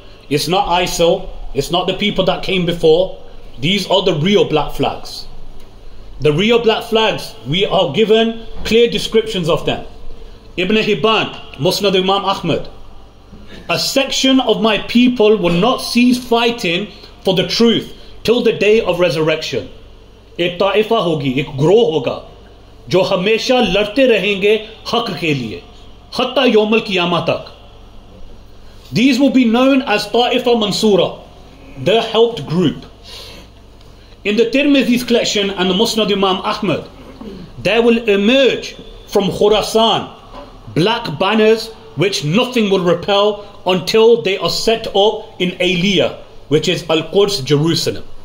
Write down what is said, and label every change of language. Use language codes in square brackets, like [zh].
[en] It's not ISIL, it's not the people that came before. These are the real black flags. The real black flags, we are given clear descriptions of them. Ibn Hibban, Musnad Imam Ahmad. A section of my people will not cease fighting for the truth till the day of resurrection. [ur] ایک طائفہ ہوگی، ایک گروہ ہوگا، جو ہمیشہ لڑتے رہیں گے حق کے لیے، حتیٰ یوم القیامہ تک۔ [en] These will be known as ta'ifa mansura, the helped group. In the Tirmidhi's collection and the Musnad Imam Ahmad, there will emerge from Khurasan black banners which nothing will repel until they are set up in Aliyah, which is Al-Quds, Jerusalem.